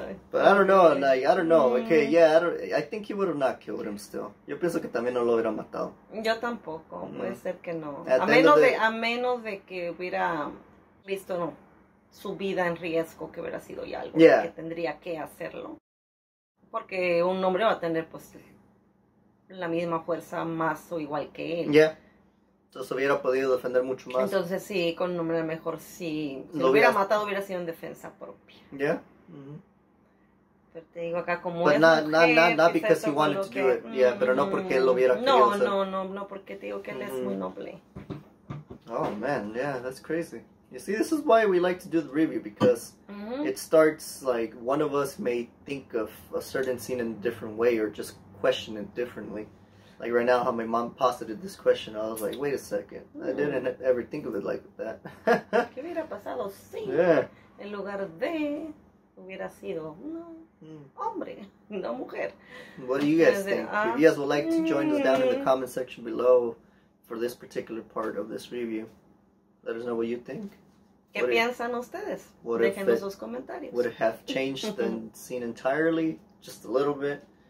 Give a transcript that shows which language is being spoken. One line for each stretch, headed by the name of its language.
English: But I don't know, like, I don't know. Okay, yeah, I think he would have not killed him still.
Spanish: Yo pienso que también no lo hubiera matado. Yo tampoco, puede ser que no. A menos de que hubiera visto su vida en riesgo, que hubiera sido ya algo que tendría que hacerlo. Porque un hombre va a tener, pues... la misma fuerza más o igual que él. Yeah. Entonces hubiera podido defender mucho más. Entonces sí, con un hombre mejor sí. Si lo hubiera matado hubiera sido en defensa propia.
English: Yeah.
Spanish: Mm-hmm. Pero te digo acá como
English: but
Spanish: es
English: not,
Spanish: mujer.
English: Not because he wanted to do it. Mm-hmm.
Spanish: Yeah, pero no porque él lo hubiera querido. No, porque te digo que él es muy noble.
English: Oh man, yeah, that's crazy. You see, this is why we like to do the review, because it starts like one of us may think of a certain scene in a different way or just question it differently. Like right now, how my mom posited this question, I was like, wait a second, I didn't ever think of it like that.
Spanish: ¿Qué hubiera pasado si en lugar de hubiera sido hombre, no mujer?
English: What do you guys think? If you guys would like to join us down in the comment section below for this particular part of this review, let us know what you think.
Spanish: ¿Qué piensan ustedes? Déjenos sus comentarios.
English: Would it have changed the scene entirely, just a little bit?